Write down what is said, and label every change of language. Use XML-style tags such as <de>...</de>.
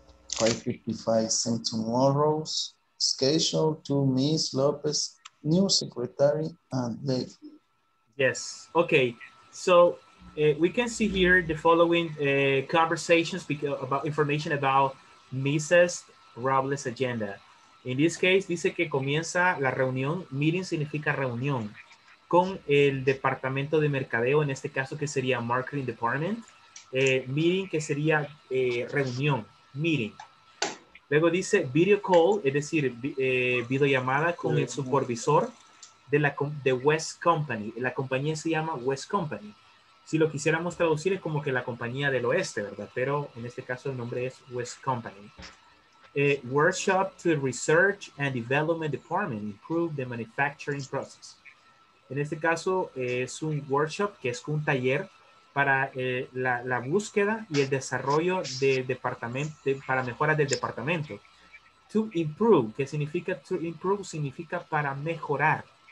<en>5:55, send tomorrow's schedule to Miss Lopez, new secretary, and leave. Yes. Okay. So we can see here the following conversations about information about Mrs. Robles' agenda. In this case,</en> <es>dice que comienza la reunión. Meeting significa reunión con el departamento de mercadeo. En este caso, que sería marketing department. Meeting, que sería reunión. Meeting. Luego dice video call, es decir, videollamada con el supervisor de la de West Company. La compañía se llama West Company. Si lo quisiéramos traducir, es como que la compañía del oeste, ¿verdad? Pero en este caso el nombre es West Company.</es> <en>Workshop to Research and Development Department, improve the manufacturing process.</en> <es>En este caso es un workshop, que es un taller para la búsqueda y el desarrollo del departamento, para mejoras del departamento. To improve, ¿qué significa to improve? Significa para mejorar.</es>